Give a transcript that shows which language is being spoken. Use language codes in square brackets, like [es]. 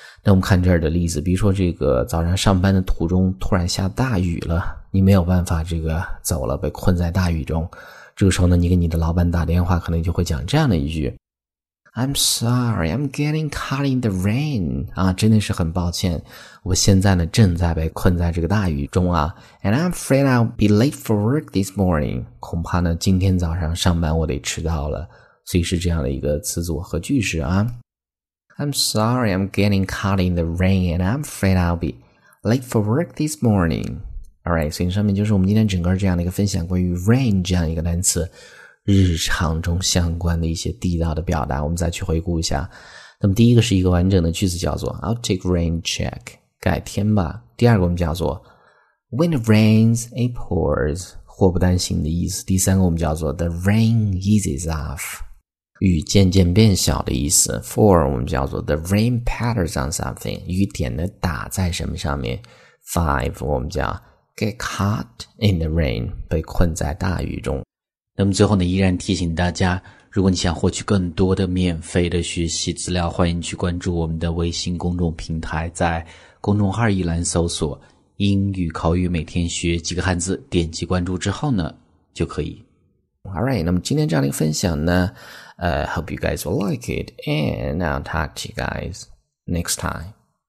[zh] 那我们看这儿的例子，比如说这个早上上班的途中突然下大雨了，你没有办法这个走了，被困在大雨中。这个时候呢，你给你的老板打电话，可能就会讲这样的一句 ： [en] “I'm sorry, I'm getting caught in the rain。” [zh] 啊，真的是很抱歉，我现在呢正在被困在这个大雨中啊。 [en] And I'm afraid I'll be late for work this morning。 [zh] 恐怕呢今天早上上班我得迟到了。所以是这样的一个词组和句式啊。 [en] I'm sorry, I'm getting caught in the rain, and I'm afraid I'll be late for work this morning. [zh] Alright, 所以上面就是我们今天整个这样的一个分享，关于 rain 这样一个单词，日常中相关的一些地道的表达，我们再去回顾一下。那么第一个是一个完整的句子，叫做 [en] I'll take rain check, [zh] 改天吧。第二个我们叫做 [en] When it rains, it pours, [zh] 祸不单行的意思。 [en] 第三个我们叫做 The rain eases off. [zh] 雨渐渐变小的意思。 For 我们叫做 [en] The rain patters on something， [zh] 雨点的打在什么上面。 5 我们叫 [en] Get caught in the rain， [zh] 被困在大雨中。那么最后呢，依然提醒大家，如果你想获取更多的免费的学习资料，欢迎去关注我们的微信公众平台，在公众号一栏搜索英语口语每天学几个汉字，点击关注之后呢就可以。 [en] Alright, [zh] 那么今天这样的一个分享呢 [en] hope you guys will like it, and I'll talk to you guys next time.